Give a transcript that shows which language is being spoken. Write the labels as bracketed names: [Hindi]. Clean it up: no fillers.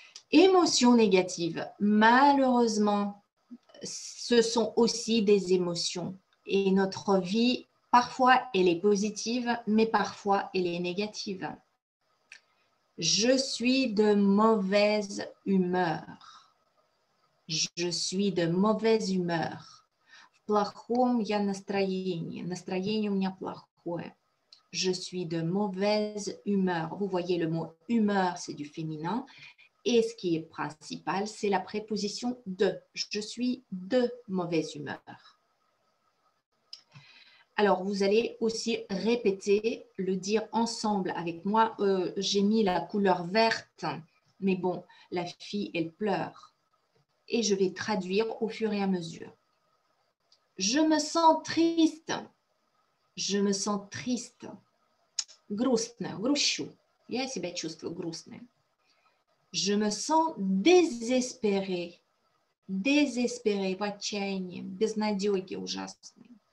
[French] Émotions négatives, malheureusement, ce sont aussi des émotions. Et notre vie, parfois, elle est positive, mais parfois, elle est négative. Je suis de mauvaise humeur. Je suis de mauvaise humeur. [Russian] В плохом я настроении. Настроение у меня плохое. [French] Je suis de mauvaise humeur. Vous voyez, le mot humeur, c'est du féminin. Et ce qui est principal, c'est la préposition « de ». Je suis de mauvaise humeur. Alors, vous allez aussi répéter, le dire ensemble avec moi. J'ai mis la couleur verte, mais bon, la fille, elle pleure. Et je vais traduire au fur et à mesure. Je me sens triste. Je me sens triste. [Russian] Грустно, грущу. Я себя чувствую грустно. [French] Je me sens désespéré. Désespéré, [Russian] в отчаянии, безнадёги ужасной.